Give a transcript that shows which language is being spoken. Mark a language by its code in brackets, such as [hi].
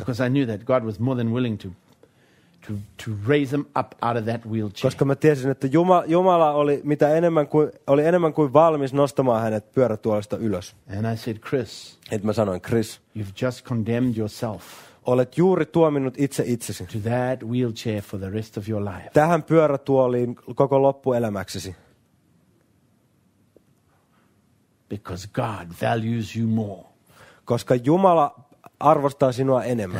[en] Because I knew that God was more than willing to raise him up out of that wheelchair. [fi] Koska mä tiesin, että Jumala oli enemmän kuin valmis nostamaan hänet pyörätuolista ylös. [en] And I said, Chris. [fi] Et mä sanoin, Chris. [en] You've just condemned yourself. [fi] Olet juuri tuominut itse itsesi. [en] To that wheelchair for the rest of your life. [fi] Tähän pyörätuoliin koko loppuelämäksesi. [en] Because God values you more. [fi] Koska Jumala arvostaa sinua enemmän.